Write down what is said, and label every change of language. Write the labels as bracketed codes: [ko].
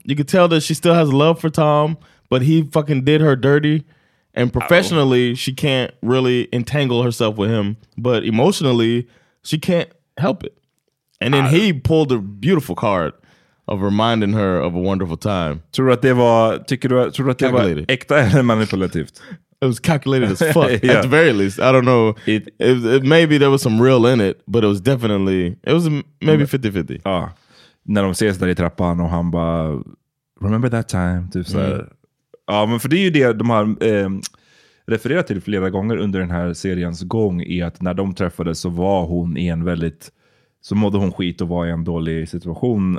[en] You could tell that she still has love for Tom, but he fucking did her dirty. And professionally, she can't really entangle herself with him. But emotionally, she can't help it. And then he pulled a beautiful card of reminding her of a wonderful time. [sv] Tror du att det var äkta eller manipulativt? [en] It was calculated as fuck, yeah. At the very least. I don't know. It maybe there was some real in it, but it was definitely... It was maybe 50-50. [sv] Ja. När de ses där i trappan och han bara... [en] Remember that time? [sv] Typ så här. Ja, men för det är ju det de har refererat till flera gånger under den här seriens gång, är att när de träffades så var hon i en väldigt... Så mådde hon skit och var i en dålig situation.